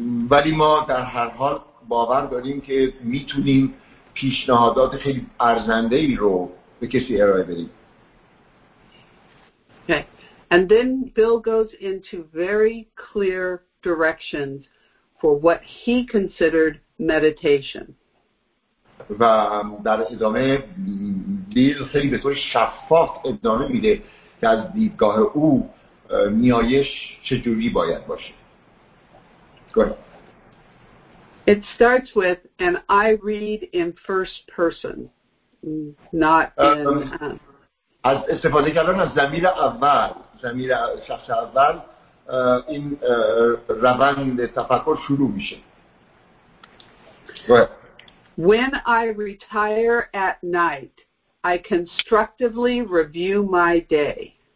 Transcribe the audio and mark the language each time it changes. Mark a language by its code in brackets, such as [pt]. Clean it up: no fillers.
[fa] ولی ما در هر حال باور داریم که میتونیم پیشنهادات خیلی ارزنده‌ای رو به کسی ارائه بدیم. [en] Okay. And then Bill goes into very clear directions for what he considered meditation. [fa] و در ادامه بیل خیلی به طور شفاف ادامه میده که از دیدگاه او نیایش چجوری باید باشه. [en] It starts with, and I read in first person, not in. [fa] از استفاده کردن از ضمیر اول، ضمیر شخص اول، این روند تفکر شروع میشه. [en] When I retire at night, I constructively review my day.